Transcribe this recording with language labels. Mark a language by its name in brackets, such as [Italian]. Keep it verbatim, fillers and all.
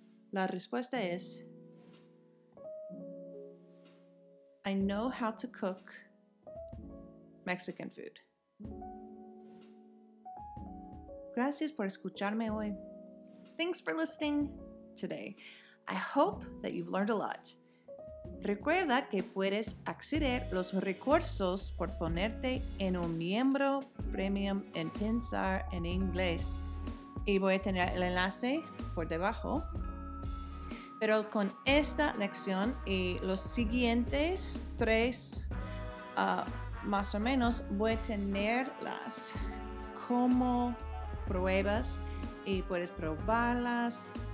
[Spanish] La respuesta es [English] I know how to cook Mexican food. [Spanish] Gracias por escucharme hoy. [English] Thanks for listening today. I hope that you've learned a lot. [Spanish] Recuerda que puedes acceder a los recursos por ponerte en un miembro premium en Pensar en Inglés. Y voy a tener el enlace por debajo. Pero con esta lección y los siguientes tres, uh, más o menos, voy a tenerlas como pruebas y puedes probarlas.